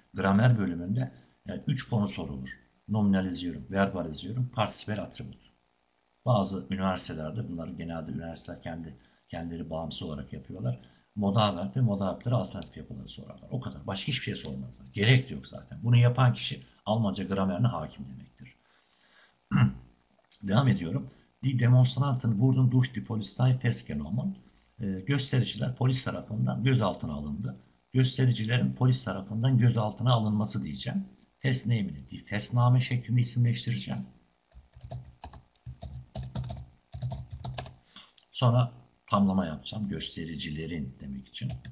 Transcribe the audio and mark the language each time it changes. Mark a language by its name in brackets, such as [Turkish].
[Turkish] Gramer bölümünde 3 konu sorulur. Nominalizyorum, verbalizyorum, partisipel atribut. Bazı üniversitelerde bunları genelde üniversiteler kendileri bağımsız olarak yapıyorlar. Modaverb ve modaverb'lere alternatif yapıları sorarlar. O kadar. Başka hiçbir şey sormazlar. Gerek de yok zaten. Bunu yapan kişi Almanca gramerine hakim demektir. Devam ediyorum. [German] Die Demonstranten wurden durch die Polizei festgenommen. [Turkish] Göstericiler polis tarafından gözaltına alındı. Göstericilerin polis tarafından gözaltına alınması diyeceğim. Festnehmen, die Festnahme şeklinde isimleştireceğim. Sonra tamlama yapacağım. Göstericilerin demek için.